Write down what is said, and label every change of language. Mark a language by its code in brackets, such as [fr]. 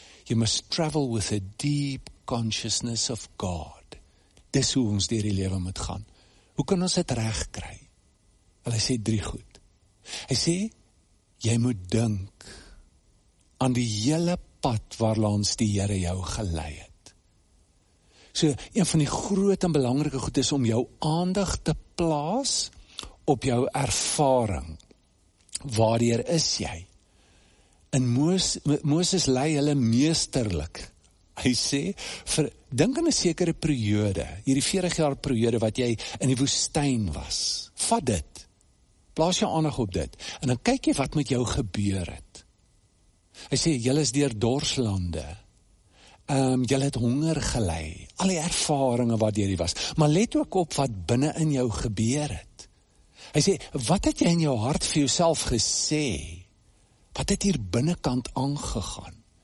[en] You must travel with a deep consciousness of God. [af] Dis hoe ons deur die lewe moet gaan. Hoe kan ons dit reg kry? Wel, hy sê drie goed. Hy sê, jy moet dink aan die hele pad waar langs die Here jou gelei het. So, een van die groot en belangrike goed is om jou aandag te plaas op jou ervaring. Waardeur is jy? En Moses lei hulle meesterlik. Hy sê, dink aan 'n sekere periode, hierdie 40 jaar periode wat jy in die woestyn was. Vat dit. Plaas jou aandag op dit. En dan kyk jy wat met jou gebeur het. Hy sê, jy is deur dorslande. Jy het honger gelei. Al die ervaringe wat deur jy was. Maar let ook op wat binne in jou gebeur het. Hy sê, wat het jy in jou hart vir jouself gesê? Wat het hier binnenkant aangegaan?